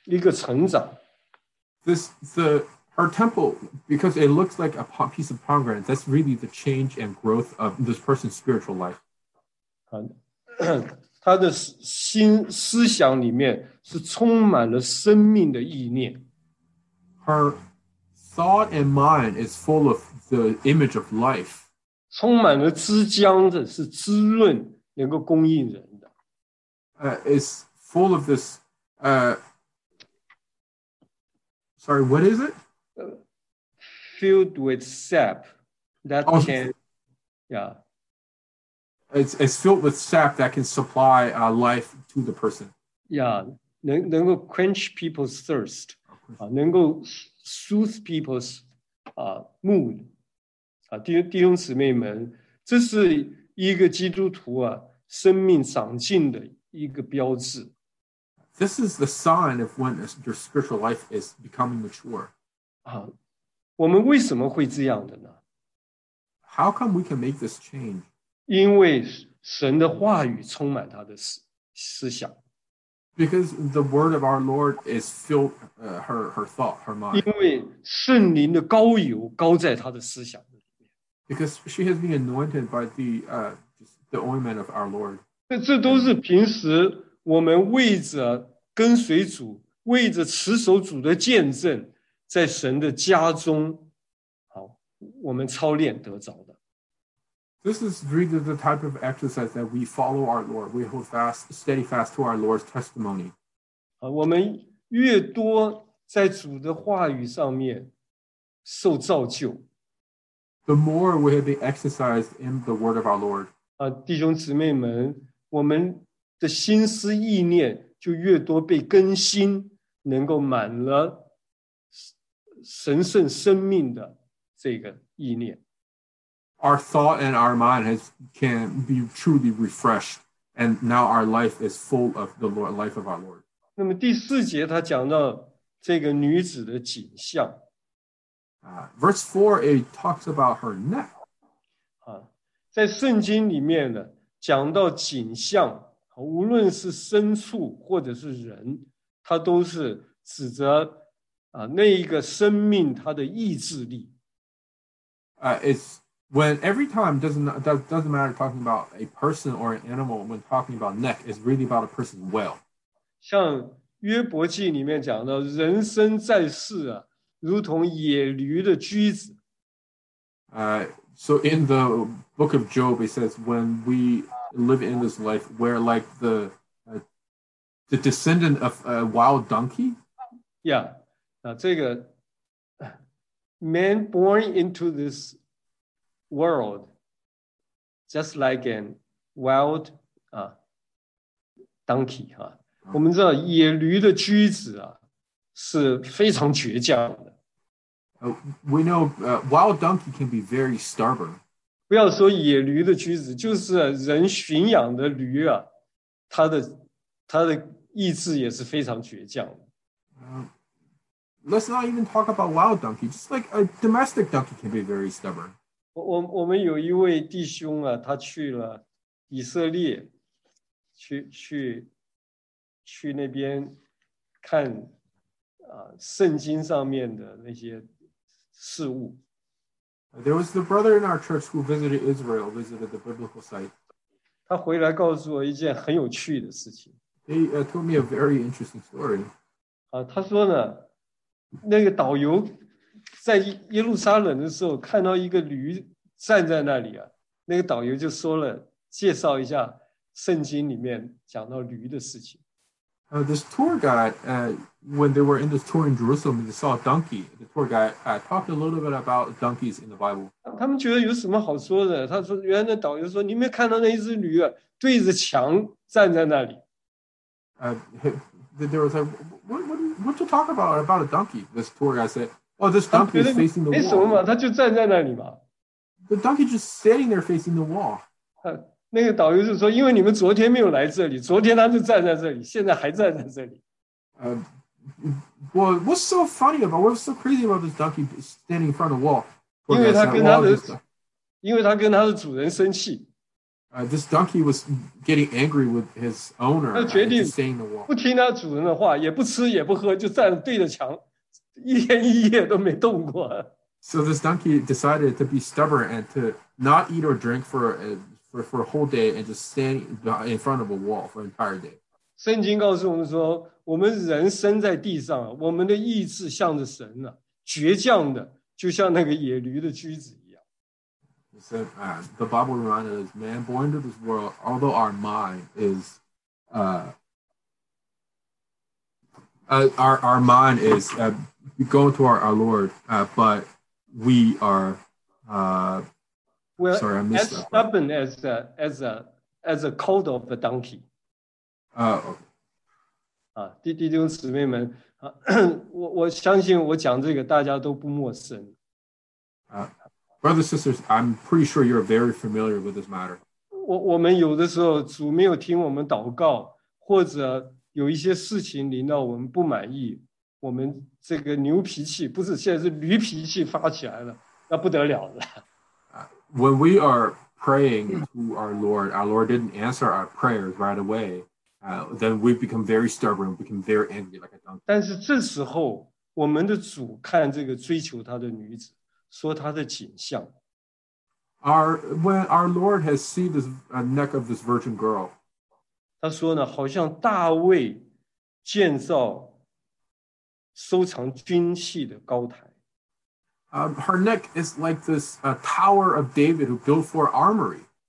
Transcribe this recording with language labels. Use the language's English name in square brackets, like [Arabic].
[Chinese] 弟兄姊妹们，这是一个追求基督的人，跟随基督的人，他的一个改变，一个成长。 [English] This the Her temple, because it looks like a piece of pomegranate, that's really the change and growth of this person's spiritual life. [Chinese] 她的心思想里面是充满了生命的意念。 [English] Her thought and mind is full of the image of life. [Chinese] 充满了汁浆的是滋润能够供应人的。 [English] It's full of this, sorry, what is it? Filled with sap that can, yeah. It's filled with sap that can supply life to the person. Yeah, [Chinese] 能够 [English] quench people's thirst, [Chinese] 能够 [English] soothe people's mood. [Chinese] 弟兄姊妹们，这是一个基督徒啊生命长进的一个标志。 [English] This is the sign of when your spiritual life is becoming mature. [Chinese] 我们为什么会这样的呢？ [English] How come we can make this change? [Chinese] 因为神的话语充满他的思想。 [English] Because the word of our Lord is filled her thought, her mind. [Chinese] 因为圣灵的膏油膏在他的思想里面。 [English] Because she has been anointed by the ointment of our Lord. [Chinese] 这都是平时我们为着跟随主，为着持守主的见证，在神的家中，好，我们操练得着的。 [English] This is really the type of exercise that we follow our Lord. We hold fast, steady fast to our Lord's testimony. [Chinese] 我们越多在主的话语上面受造就。 [English] The more we have been exercised in the word of our Lord. [Chinese] 弟兄姊妹们，我们的心思意念就越多被更新，能够满了神圣生命的这个意念。 [English] Our thought and our mind can be truly refreshed, and now our life is full of the Lord, life of our Lord. [Chinese] 那么第四节他讲到这个女子的颈项。 [English] Verse 4, it talks about her neck. [Chinese] 在圣经里面呢，讲到颈项，无论是牲畜或者是人，它都是指着那一个生命它的意志力。 [English] When every time doesn't matter talking about a person or an animal, when talking about neck, it's really about a person's will. [Chinese] 像约伯记里面讲的，人生在世啊，如同野驴的驹子。 [English] So in the book of Job, it says, when we live in this life, we're like the descendant of a wild donkey. Yeah, [Chinese] 这个 [English] man born into this. World, just like a wild donkey. [Chinese] 我们知道野驴的驹子啊是非常倔强的。 [English] We know wild donkey can be very stubborn. [Chinese] 不要说野驴的驹子，就是人驯养的驴啊，它的意志也是非常倔强的。 [English] Let's not even talk about wild donkey. Just like a domestic donkey can be very stubborn. [Chinese] 我们有一位弟兄啊，他去了以色列，去那边看圣经上面的那些事物。 [English] There was the brother in our church who visited Israel, visited the biblical site. [Chinese] 他回来告诉我一件很有趣的事情。 [English] He told me a very interesting story. [Chinese] 他说呢，那个导游在耶路撒冷的时候看到一个驴。站在那里啊，那个导游就说了，介绍一下圣经里面讲到驴的事情。 [English] This tour guide, when they were in this tour in Jerusalem, they saw a donkey. The tour guide talked a little bit about donkeys in the Bible. [Chinese] 他们觉得有什么好说的？他说，原来导游说，你没看到那一只驴啊，对着墙站在那里。 [English] There was what to talk about a donkey? This tour guide said, "Oh, this donkey is facing the wall." [Chinese] 没什么嘛，他就站在那里嘛。 [English] The donkey just standing there facing the wall. [Chinese] 那个导游就说，因为你们昨天没有来这里，昨天他就站在这里，现在还站在这里。 [English] What's so funny about, what's so crazy about this donkey standing in front of the wall? [Chinese] 因为他跟他的主人生气。 [English] This donkey was getting angry with his owner. [Chinese] 他决定 [English] staying the wall. [Chinese] 不听他主人的话，也不吃也不喝，就站对着墙，一天一夜都没动过。 [English] So this donkey decided to be stubborn and to not eat or drink for a whole day and just stand in front of a wall for an entire day. [Chinese] 圣经告诉我们说，我们人生在地上，我们的意志向着神了，倔强的，就像那个野驴的驹子一样。 [English] He said, "The Bible reminds us, man born to this world, although our mind is, our mind is going to our Lord, but we are, well, sorry, I missed that part. As stubborn as a colt of a donkey." [Chinese] 弟兄姊妹们，我相信我讲这个大家都不陌生。 [English] Brothers, sisters, I'm pretty sure you're very familiar with this matter. [Chinese] 我们有的时候主没有听我们祷告，或者有一些事情临到我们不满意，我们这个牛脾气，不是现在是驴脾气发起来了，那不得了了。 [English] When we are praying to our Lord didn't answer our prayers right away. Then we become very stubborn, become very angry like a donkey. [Chinese] 但是这时候，我们的主看这个追求他的女子，说他的景象。 [English] When our Lord has seen this neck of this virgin girl, [Chinese] 他说呢，好像大卫建造收藏军器的高台。 [English] Her neck is like this tower of David who built for armory.